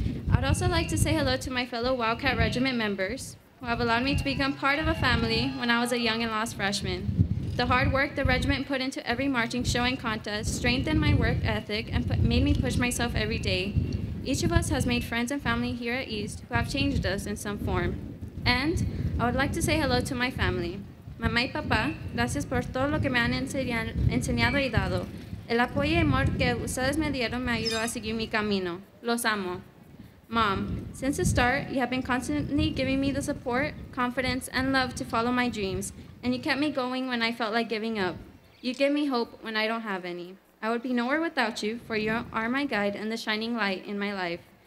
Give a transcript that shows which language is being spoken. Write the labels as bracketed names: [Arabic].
[English] I would also like to say hello to my fellow Wildcat Regiment members, who have allowed me to become part of a family when I was a young and lost freshman. The hard work the regiment put into every marching show and contest strengthened my work ethic and made me push myself every day. Each of us has made friends and family here at East who have changed us in some form. And I would like to say hello to my family. [Spanish] Mamá y papá, gracias por todo lo que me han enseñado y dado. El apoyo y amor que ustedes me dieron me ayudó a seguir mi camino. Los amo. [English] Mom, since the start, you have been constantly giving me the support, confidence, and love to follow my dreams, and you kept me going when I felt like giving up. You give me hope when I don't have any. I would be nowhere without you, for you are my guide and the shining light in my life.